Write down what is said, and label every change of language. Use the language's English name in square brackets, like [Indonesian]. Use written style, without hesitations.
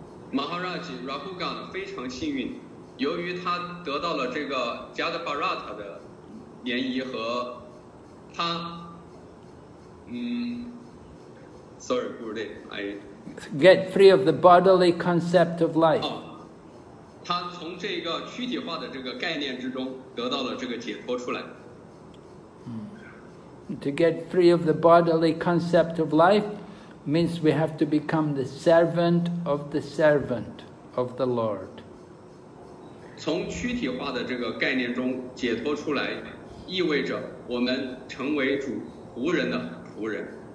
[Chinese] Maharaj Rahugan 非常幸运，由于他得到了这个 Jadavarata 的涟漪和他， [English] sorry, Guruji, I get free of the bodily concept of life. [Chinese] 他从这个躯体化的这个概念之中得到了这个解脱出来。 [English] To get free of the bodily concept of life means we have to become the servant of the servant of the Lord. [Chinese] 从躯体化的这个概念中解脱出来，意味着我们成为主仆人的仆人。